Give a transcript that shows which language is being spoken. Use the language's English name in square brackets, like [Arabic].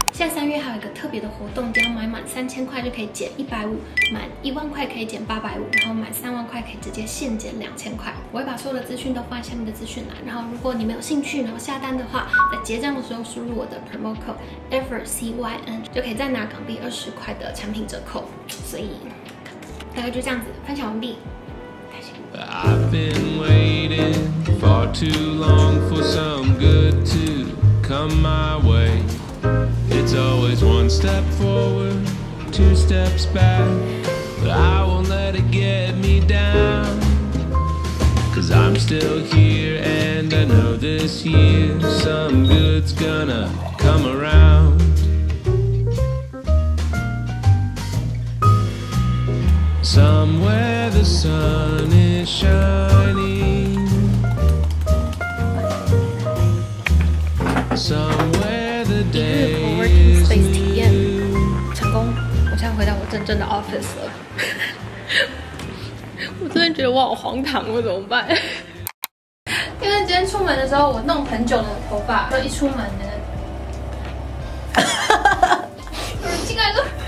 [Chinese] 现在3月还有一个特别的活动，只要买满3000块就可以减150，满10000块可以减850，然后满30000块可以直接现减2000块。我会把所有的资讯都放在下面的资讯栏，然后如果你没有兴趣，然后下单的话，结账的时候输入我的 promo code EVERCYN 就可以再拿港币20块的产品折扣，所以大概就这样子分享完毕，开心。 [English] I've been waiting far too long for some good to come my way. It's always one step forward, two steps back, but I won't let it get me down. Cause I'm still here and I know this year some good's gonna come around. Somewhere the sun is shining. Somewhere the day is new. [Chinese] 一日 co-working space 体验成功，我现在回到我真正的 office 了。我真的觉得我好荒唐，我怎么办？因为今天出门的时候，我弄很久的头发，就一出门呢，进来个，